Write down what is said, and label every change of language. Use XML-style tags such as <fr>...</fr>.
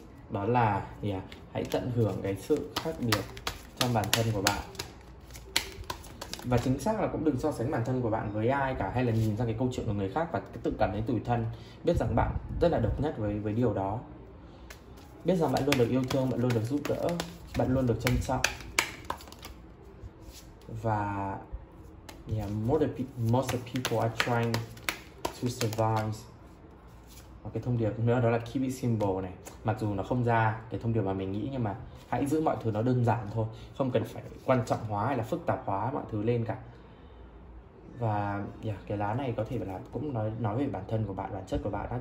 <vi>Đó là hãy tận hưởng cái sự khác biệt trong bản thân của bạn. Và chính xác là cũng đừng so sánh bản thân của bạn với ai cả, hay là nhìn ra cái câu chuyện của người khác và tự cảm thấy tủi thân. Biết rằng bạn rất là độc nhất với điều đó. Biết rằng bạn luôn được yêu thương, bạn luôn được giúp đỡ, bạn luôn được trân trọng.</vi> <en>Và most of people are trying to survive.</en> <vi>Và cái thông điệp nữa đó là</vi> <en>keep it simple</en> <vi>này. Mặc dù nó không ra cái thông điệp mà mình nghĩ, nhưng mà hãy giữ mọi thứ nó đơn giản thôi, không cần phải quan trọng hóa hay là phức tạp hóa mọi thứ lên cả. Và cái lá này có thể là cũng nói về bản thân của bạn, bản chất của bạn đó.</vi>